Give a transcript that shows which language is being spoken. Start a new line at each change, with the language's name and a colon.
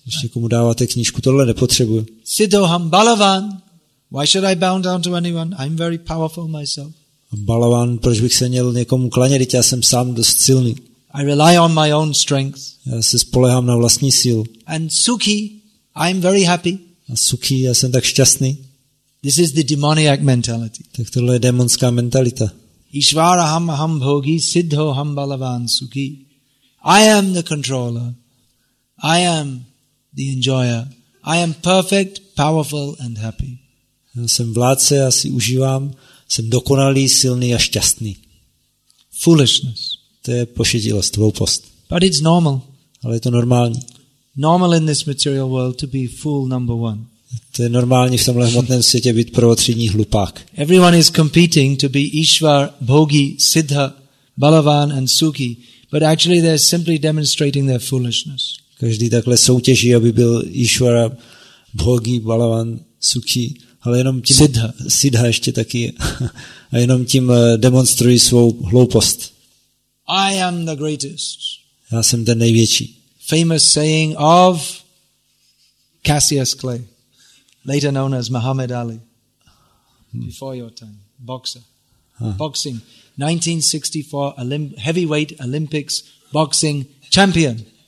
Czech: Ještě komu dáváte knížku, tohle nepotřebuji.
Sanskrit: Siddhoham Balavan.
English: Why should I bow down to anyone? I'm very powerful myself.
Czech: Balavan, proč bych se měl někomu klanět, já jsem sám dost silný.
English: I rely on my own strength.
Czech: Já se spolehám na vlastní sílu.
English: And Sukhi, I'm very happy.
Czech: A Sukhi, já jsem tak šťastný.
English: This is the demoniac mentality.
Czech: Tak tohle je démonská mentalita.
Sanskrit: Ishvaraham aham bhogi siddho aham balavan sukhi.
English: I am the controller. I am the enjoyer. I am perfect, powerful and happy.
Czech: Já jsem vládce, já si užívám. Jsem dokonalý, silný a šťastný.
English: Foolishness.
Czech: To je pošetilost, hloupost.
English: But it's normal.
Czech: Ale je to normální.
English: Normal in this material world to be fool number one.
Czech: To je normální v tomhle hmotném světě být prvotřídní hlupák.
English: Everyone is competing to be Ishvar, Bhogi, Siddha, Balavan and Sukhi, but actually they're simply demonstrating their foolishness.
Czech: Každý takhle soutěží, aby byl Ishvar, Bhogi, Balavan, Sukhi, ale jenom tím
Sanskrit: Siddha
Czech: ještě taky a jenom tím demonstrují svou hloupost.
English: I am the greatest.
Czech: Já jsem ten největší.
English: Famous saying of Cassius Clay. Later known as Muhammad Ali, before your time, boxer, boxing, 1964 heavyweight Olympics boxing champion.